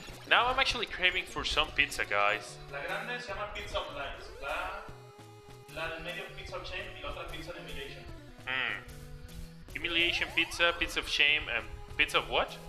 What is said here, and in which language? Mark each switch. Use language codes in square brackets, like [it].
[en] Now I'm actually craving for some pizza, guys. [es] La grande se llama pizza of lines. La del medio pizza of shame y la otra pizza de humiliation. [en] Humiliation pizza, pizza of shame, and pizza of what?